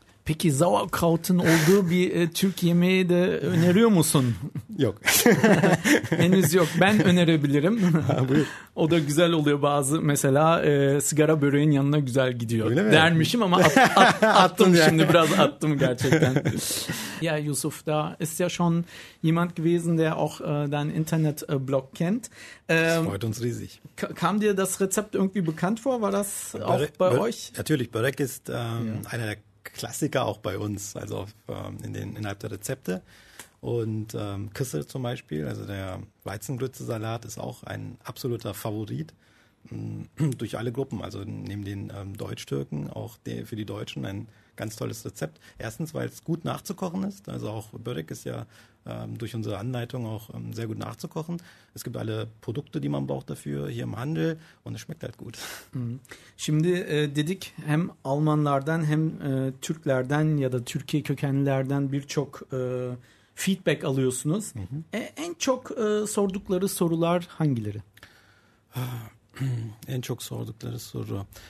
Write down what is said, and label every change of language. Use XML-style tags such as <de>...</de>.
<tr>Peki sauerkrautun olduğu bir Türk yemeği de öneriyor musun? Yok. Henüz yok. Ben önerebilirim. Ha, buyur. O da güzel oluyor bazı. Mesela sigara böreğin yanına güzel gidiyor. Öyle mi? Dermişim ama attım yani. Şimdi biraz attım gerçekten.</tr> <de>Ya Yusuf, da ist ja schon jemand gewesen, der auch dein Internetblog kennt. Das freut uns riesig. Kam dir das Rezept irgendwie bekannt vor? War das auch bei euch? Natürlich, Börek ist einer der Klassiker auch bei uns, also innerhalb der Rezepte. Und Kısır zum Beispiel, also der Weizengrützesalat, ist auch ein absoluter Favorit durch alle Gruppen. Also neben den Deutsch-Türken auch für die Deutschen ein ganz tolles Rezept. Erstens, weil es gut nachzukochen ist. Also auch Börek ist ja durch unsere Anleitung auch sehr gut nachzukochen. Es gibt alle Produkte, die man braucht dafür hier im Handel und es schmeckt halt gut.</de> <tr>Şimdi dedik, hem Almanlardan hem Türklerden ya da Türkiye kökenlilerden birçok feedback alıyorsunuz. Hı hı. En çok sordukları sorular hangileri? En çok sordukları soru.</tr>